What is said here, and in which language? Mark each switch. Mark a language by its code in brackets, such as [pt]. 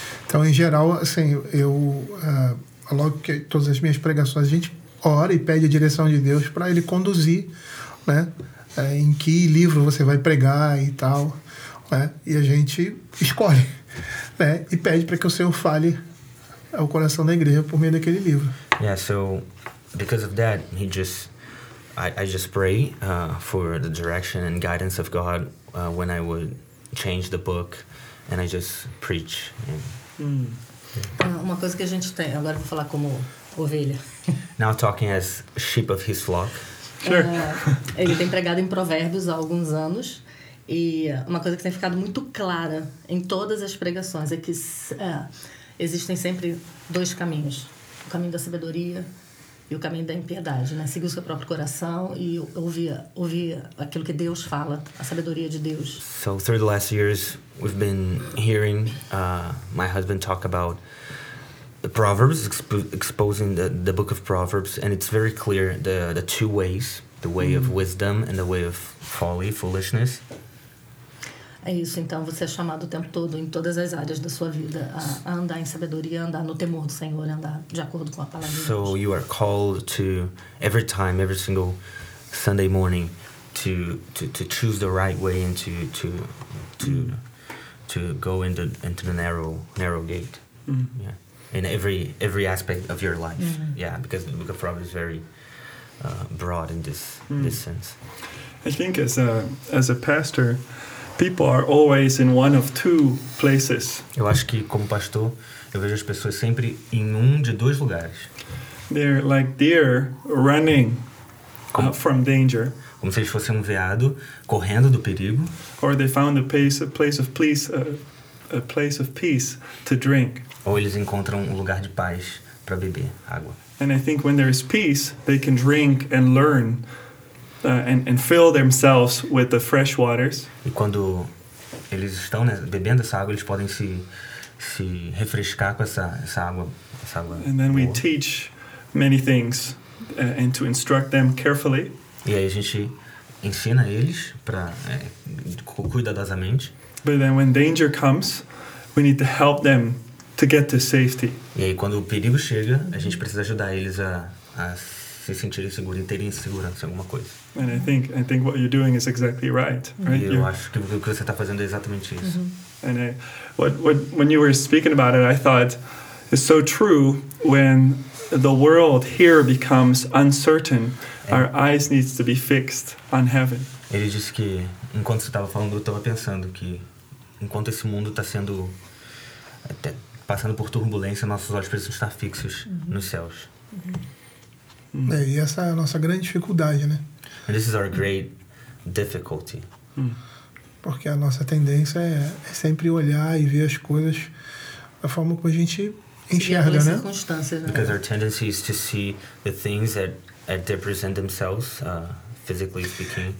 [pt] Então, em geral, assim, eu logo que todas as minhas pregações, a gente ora e pede a direção de Deus para ele conduzir, né? Em que livro você vai pregar e tal, né? E a gente escolhe, né? E pede para que o Senhor fale ao coração da igreja por meio daquele livro. [en] Yeah, so because of that, I just pray for the direction and guidance of God when I would change the book, and I just preach. [pt] Uma coisa que a gente tem, agora vou falar como ovelha. [en] Now talking as sheep of his flock. Sure. [pt] Ele tem pregado em Provérbios há alguns anos e uma coisa que tem ficado muito clara em todas as pregações é que existem sempre dois caminhos, o caminho da sabedoria e o caminho da impiedade, né? Seguir o seu próprio coração e ouvir aquilo que Deus fala, a sabedoria de Deus. [en] So through the last years we've been hearing my husband talk about the Proverbs, exposing the book of Proverbs, and it's very clear the two ways, the way of wisdom and the way of folly, foolishness. [pt] É isso, então você é chamado o tempo todo em todas as áreas da sua vida a andar em sabedoria, andar no temor do Senhor, andar de acordo com a palavra. [en] So you are called to every time, every single Sunday morning, to choose the right way and to go into the narrow gate. Mm. Yeah. In every aspect of your life. Mm-hmm. Yeah, because the book of Proverbs is very broad in this sense. I think as a pastor, people are always in one of two places. [pt] Eu acho que como pastor, eu vejo as pessoas sempre em um de dois lugares. [en] They're like deer running from danger. [pt] Como se eles fossem um veado correndo do perigo. [en] Or they found a place of peace to drink. [pt] Ou eles encontram um lugar de paz para beber água. [en] And I think when there is peace, they can drink and learn and fill themselves with the fresh waters. [pt] E quando eles estão, né, bebendo essa água, eles podem se refrescar com essa água, essa água. [en] And then [pt] boa. [en] We teach many things and to instruct them carefully. [pt] E aí a gente ensina eles para cuidadosamente. [en] But then when danger comes, we need to help them to get to safety. [pt] E aí, quando o perigo chega, a gente precisa ajudar eles a se sentirem seguros, em terem segurança em alguma coisa. [en] And I think what you're doing is exactly right. Right? [pt] E eu acho que o que você está fazendo é exatamente isso. Uh-huh. [en] And when you were speaking about it, I thought, it's so true, when the world here becomes uncertain, our eyes need to be fixed on heaven. [pt] Ele disse que, enquanto você estava falando, eu estava pensando que, enquanto esse mundo está sendo até passando por turbulência, nossos olhos precisam estar fixos uh-huh. nos céus. Uh-huh. Uh-huh. É, e essa é a nossa grande dificuldade, né? [en] And this is our great difficulty. [pt] Porque a nossa tendência é sempre olhar e ver as coisas da forma como a gente enxerga, né? [en] Because our tendency is to see the things that they present themselves, physically speaking.